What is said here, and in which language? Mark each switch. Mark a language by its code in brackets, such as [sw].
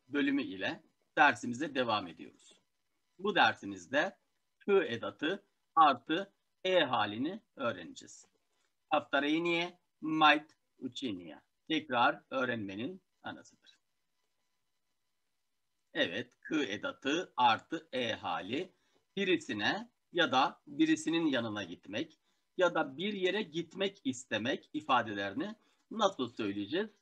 [tr] bölümü ile dersimize devam ediyoruz. Bu dersimizde h edatı artı e halini öğreneceğiz. [ru] Повторение мать учения. [tr] Tekrar öğrenmenin anasıdır. Evet, k edatı artı e hali, birisine ya da birisinin yanına gitmek ya da bir yere gitmek istemek ifadelerini nasıl söyleyeceğiz?